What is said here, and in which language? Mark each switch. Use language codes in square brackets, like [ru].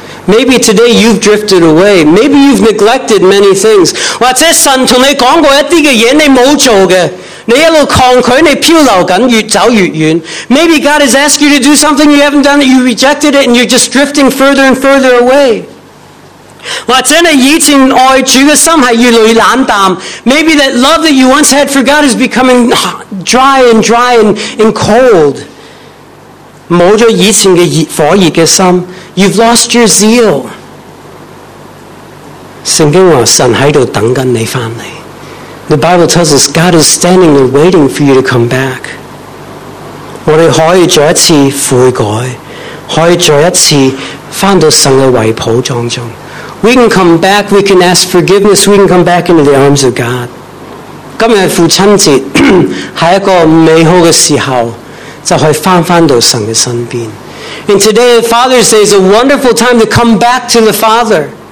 [en] Maybe today you've drifted away. Maybe you've neglected many things。 [yue] 或者神同你讲过一啲嘅嘢，你冇做嘅。你一路抗拒，你漂流紧，越走越远。 [en] Maybe God has asked you to do something you haven't done, you rejected it, and you're just drifting further and further away. [yue] 或者你以前爱主嘅心系越来越冷淡。 [en] Maybe that love that you once had for God is becoming dry and dry and cold. [yue] 冇咗以前嘅热火热嘅心。 [en] You've lost your zeal. [yue] 圣经话神喺度等紧你翻嚟。 [en] The Bible tells us God is standing and waiting for you to come back. [yue] 我哋可以再一次悔改，可以再一次翻到神嘅怀抱当中。 [en] We can come back. We can ask forgiveness. We can come back into the arms of God. [yue] 今日父亲节系一个美好嘅时候，就可以翻到神嘅身边。 [en] And today, Father's Day is a wonderful time to come back to the Father.